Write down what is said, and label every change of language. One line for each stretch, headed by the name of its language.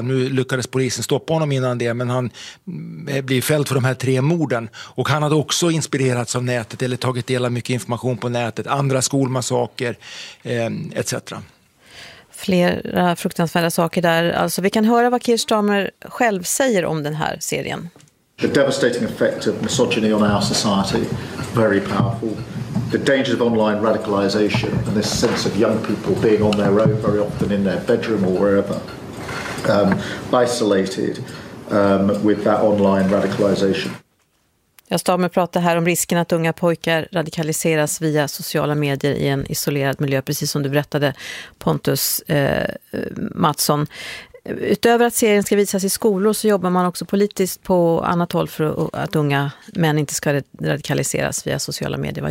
Swedish: Nu lyckades polisen stoppa honom innan det, men han blev fälld för de här tre morden. Och han hade också inspirerats av nätet eller tagit del av mycket information på nätet, andra skolmassaker etc. Flera fruktansvärda saker där. Alltså, vi kan höra vad Keir Starmer själv säger om den här serien.
English: The devastating effect of misogyny on our society, very powerful. The danger of online radicalization and this sense of young people being on their own, very often in their bedroom or wherever, isolated with that online radicalization.
Swedish: Jag står med prata här om risken att unga pojkar radikaliseras via sociala medier i en isolerad miljö, precis som du berättade, Pontus Mattsson. Utöver att serien ska visas i skolor så jobbar man också politiskt på annat håll för att unga män inte ska radikaliseras via sociala medier.